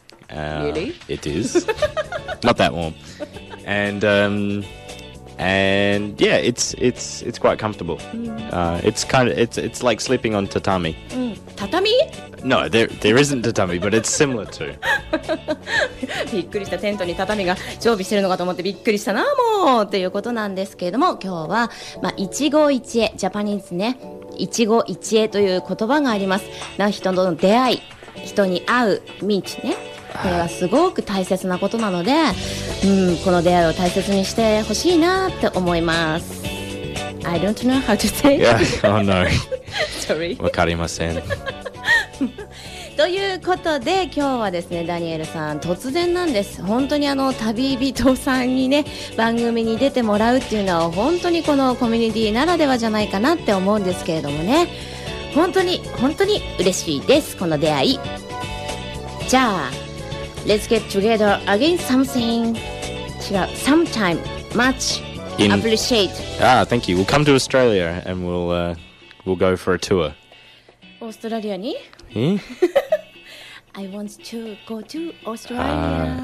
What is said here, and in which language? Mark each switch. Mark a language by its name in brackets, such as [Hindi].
[English] Really? It is. Not that warm. And and yeah, it's quite comfortable. It's like sleeping on tatami. Tatami? No, there isn't tatami, but it's similar to. [Japanese] びっくりした、テントに畳が常備してるのかと思ってびっくりしたな、もうということなんですけれども、今日は、まあ、一期一会、ジャパニーズね、一期一会という言葉があります。な、人との出会い、人に会う、ミーチね、これはすごく大切なことなので、この出会いを大切にしてほしいなって思います。 [English] I don't know how to say it. Yeah, oh no. Sorry. [Japanese] わかりませんということで、今日はですねダニエルさん、突然なんです、本当にあの旅人さんにね番組に出てもらうっていうのは本当にこのコミュニティならではじゃないかなって思うんですけれどもね、本当に本当に嬉しいですこの出会い。 [English] じゃあ Let's get together again something [Japanese] 違う [English] sometime much In... appreciate Ah thank you, we'll come to Australia and we'll go for a tour. [Japanese] オーストラリアに、 Eh? [English] I want to go to Australia.